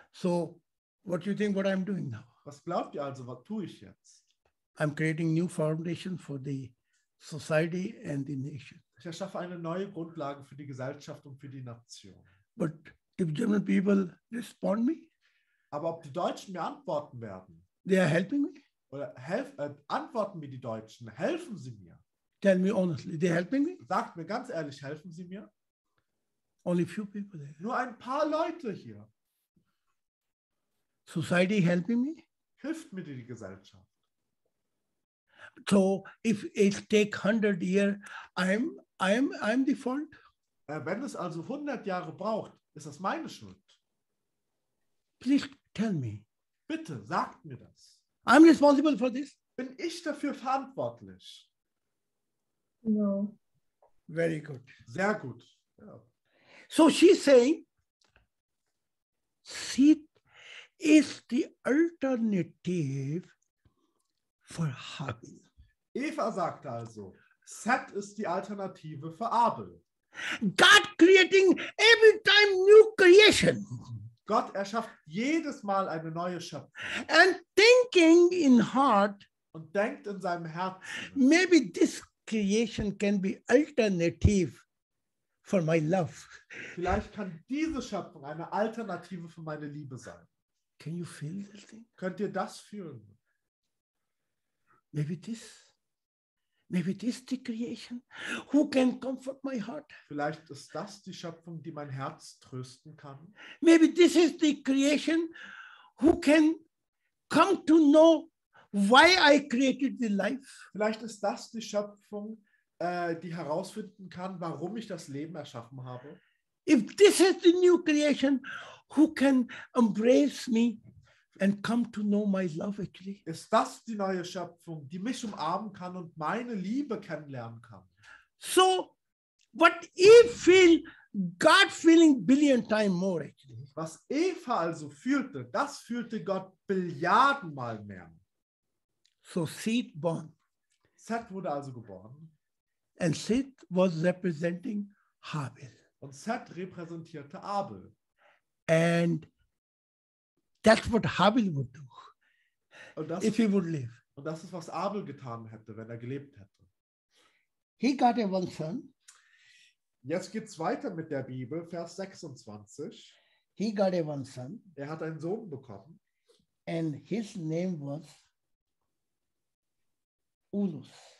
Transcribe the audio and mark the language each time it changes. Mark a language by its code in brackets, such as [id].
[en] So, what do you think what I'm doing now? [de] Was glaubt ihr also, was tue ich jetzt? [en] I'm creating new foundation for the society and the nation. [de] Ich erschaffe eine neue Grundlage für die Gesellschaft und für die Nation. [en] But if German people respond me? [de] Aber ob die Deutschen mir antworten werden? [en] They are helping me? [de] Oder antworten mir die Deutschen? Helfen sie mir? [en] Tell me honestly, they helping me? [de] Sagt mir ganz ehrlich, helfen sie mir? [en] Only few people there. [de] Nur ein paar Leute hier. [en] Society helping me? [de] Hilft mir die Gesellschaft. [en] So, if it take 100 years, I'm the fault. [de] Wenn es also 100 Jahre braucht, Ist das meine Schuld? [en] Please tell me. [de] Bitte, sagt mir das. [en] I'm responsible for this. [de] Bin ich dafür verantwortlich? [en] No. Very good. [de] Sehr gut. [en] So she's saying, seed is the alternative for Abel. [de] Eva sagte also, Seth ist die Alternative für Abel. [en] God creating every time new creation. [de] Gott erschafft jedes Mal eine neue Schöpfung. [en] And thinking in heart, [de] und denkt in seinem Herzen, [en] maybe this creation can be alternative for my love. [de] Vielleicht kann diese Schöpfung eine Alternative für meine Liebe sein. [en] Can you feel this thing? [de] Könnt ihr das fühlen? [en] Maybe this the creation who can comfort my heart. [de] Vielleicht ist das die Schöpfung, die mein Herz trösten kann. [en] Maybe this is the creation who can come to know why I created the life. [de] Vielleicht ist das die Schöpfung, die herausfinden kann, warum ich das Leben erschaffen habe. [en] If this is the new creation who can embrace me and come to know my love actually. [de] Ist das die neue Schöpfung, die mich umarmen kann und meine Liebe kennenlernen kann? [en] So, what Eve feel, God feeling billion times more actually. [de] Was Eva also fühlte, das fühlte Gott Billiardenmal mehr. [en] So Seth born. [de] Seth wurde also geboren. [en] And Seth was representing Abel. [de] Und Seth repräsentierte Abel. [en] And that's what Abel would do, if he would live. [de] Und das ist, was Abel getan hätte, wenn er gelebt hätte. [en] He got a one son. [de] Jetzt geht's weiter mit der Bibel, Vers 26. [en] He got a one son. [de] Er hat einen Sohn bekommen. [en] And his name was Ulus.